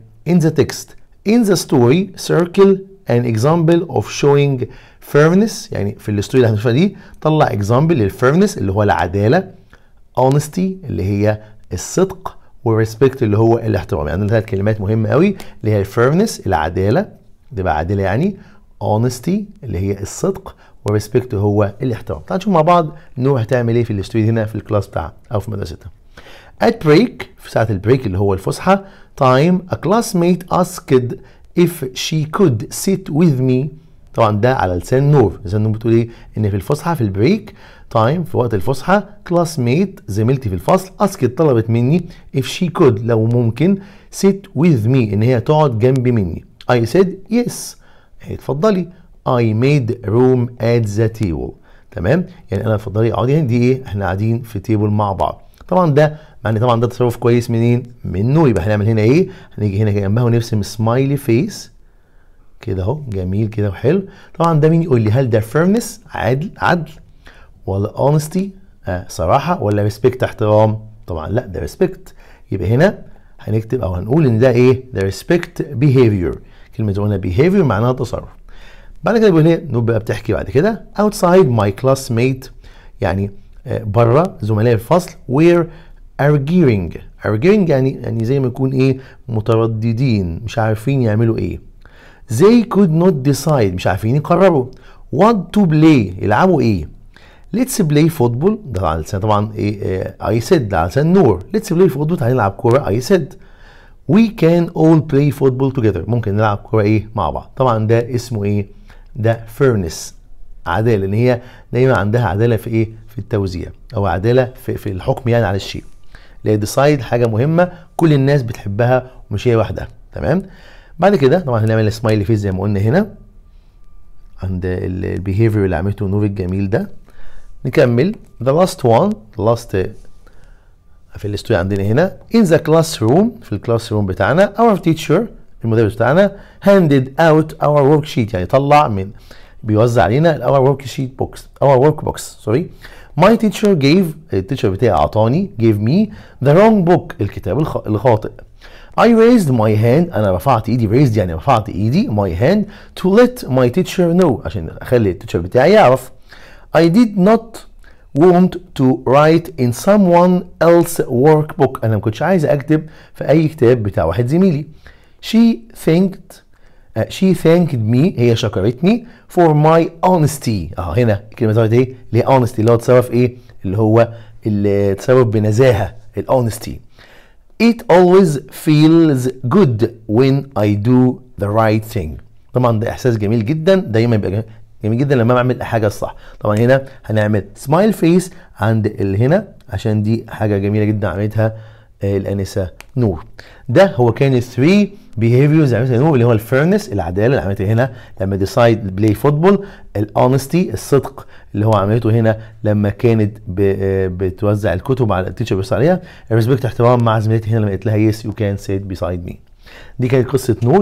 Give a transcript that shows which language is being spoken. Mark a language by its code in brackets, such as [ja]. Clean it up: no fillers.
[en] In the text، in the story circle an example of showing fairness، [ar] يعني في الستوري اللي هنشوفها دي طلع [en] example للfairness [ar] اللي هو العدالة. honesty اللي هي الصدق، وrespect اللي هو الاحترام. يعني ثلاث كلمات مهمة قوي اللي هي fairness العدالة، دي بقى عدالة يعني. honesty اللي هي الصدق، وrespect هو الاحترام. تعال نشوف مع بعض نور هتعمل ايه في الستوري هنا في الكلاس بتاعها او في مدرستها. [en] at break، [ar] في ساعة البريك اللي هو الفسحة. [en] time a classmate asked if she could sit with me، [ar] طبعا ده على لسان نور. لسان نور بتقول ايه؟ ان في الفسحة في البريك تايم، في وقت الفسحة، كلاسميت زميلتي في الفصل اسكت طلبت مني [en] if she could، [ar] لو ممكن، [en] sit with me، [ar] ان هي تقعد جنبي مني. [en] I said yes، [ar] هي تفضلي. [en] I made room at the table، [ar] تمام؟ يعني انا تفضلي اقعدي، يعني دي ايه؟ احنا قاعدين في تيبل مع بعض. طبعا ده معنى، طبعا ده تصرف كويس منين؟ منه. يبقى هنعمل هنا ايه؟ هنيجي هنا جنبها ونرسم سمايلي فيس كده اهو، جميل كده وحلو. طبعا ده مين يقول لي؟ هل ده فيرنس عدل ولا اونستي صراحه، ولا ريسبكت احترام؟ طبعا لا، ده ريسبكت. يبقى هنا هنكتب او هنقول ان ده ايه؟ [en] The respect behaviour. [ar] كلمه هنا بيهافير معناها تصرف. بعد كده بيقول لي نوب بقى بتحكي بعد كده. [en] outside my classmate, [ar] يعني بره زملاء الفصل. [en] وير ارجيرنج، [ar] ارجيرنج يعني زي ما يكون ايه؟ مترددين، مش عارفين يعملوا ايه. [en] They could not decide، [ar] مش عارفين يقرروا. [en] What to play، [ar] يلعبوا ايه؟ [en] Let's play football، [ar] ده على لسان طبعا ايه؟ [en] I said، [ar] ده على لسان نور. [en] Let's play football، [ar] تعالى نلعب كورة. [en] I said we can all play football together، [ar] ممكن نلعب كورة ايه؟ مع بعض. طبعا ده اسمه ايه؟ ده fairness، عدالة، ان هي دايما عندها عدالة في ايه؟ في التوزيع، او عدالة في الحكم يعني على الشيء. لأ decide حاجة مهمة كل الناس بتحبها ومش هي واحدة، تمام؟ بعد كده طبعا هنعمل سمايلي فيس زي ما قلنا هنا عند البيهيفير اللي عملته نور الجميل ده. [en] نكمل the last one، the last [ar] في الاستوري عندنا هنا. [en] in the classroom، [ar] في الكلاس روم بتاعنا. [en] our teacher، [ar] المدرس بتاعنا. [en] handed out our worksheet، [ar] يعني طلع من بيوزع علينا [en] our worksheet box، our workbook sorry. my teacher gave، [ar] التيتشر بتاعي اعطاني. [en] gave me the wrong book، [ar] الكتاب الخاطئ. [en] I raised my hand، [ar] أنا رفعت إيدي. raised يعني رفعت إيدي. [en] my hand to let my teacher know، [ar] عشان أخلي التيتشر بتاعي يعرف. [en] I did not want to write in someone else's workbook، [ar] أنا ما كنتش عايز أكتب في أي كتاب بتاع واحد زميلي. [en] she thanked me، [ar] هي شكرتني. [en] for my honesty، [ar] هنا كلمة زي إيه؟ اللي هي honesty، اللي هو تصرف إيه؟ اللي هو التصرف بنزاهة، الـ honesty. [en] It always feels good when I do the right thing. [ar] طبعا ده احساس جميل جدا، دايما بيبقى جميل جدا لما بعمل حاجة الصح. طبعا هنا هنعمل smile face عند اللي هنا عشان دي حاجة جميلة جدا عملتها الانسة نور. ده هو كان [en] three behaviors [ar] عملتها نور، اللي هو fairness العدالة اللي عملتها هنا لما [en] decide play football، [ar] honesty الصدق اللي هو عملته هنا لما كانت بتوزع الكتب على التيتشر بيوزع عليها، الريسبكت احترام مع زميلتي هنا لما قلت لها [en] Yes you can sit beside me. [ar] دي كانت قصه نور.